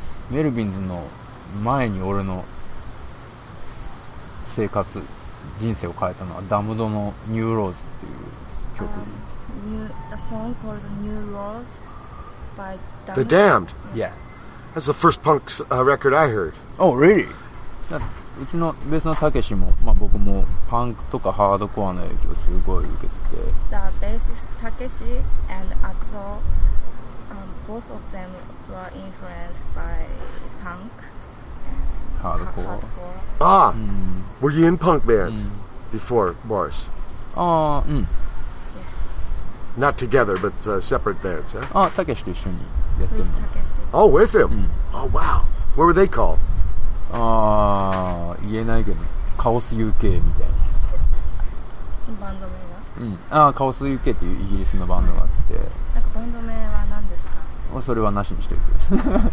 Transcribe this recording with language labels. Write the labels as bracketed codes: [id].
[ja] メルヴィンズの前に俺の生活人生を変えたのはダムドのニューローズっていう曲。 [en] A song called New Rose by The Damned. Yeah, that's the first punk record I heard. Oh, really? [ja] うちのベースのたけしも、まあ、僕もパンクとかハードコアの影響すごい受けて。 [en] The bassist Takeshi and Atsuo, both of them. Were influenced by punk and hardcore. Ah, were you in punk bands before Boris? Yes. Not together, but separate bands, huh? [ja] Ah, Takeshi と一緒に。 [en] With Takeshi. Oh, with him? Oh, wow. What were they called? [ja] Ah, 言えないけど、カオス UK みたいな。バンド名が？カオス UK っていうイギリスのバンドがあって。なんかバンド名は。それはなしにしておいて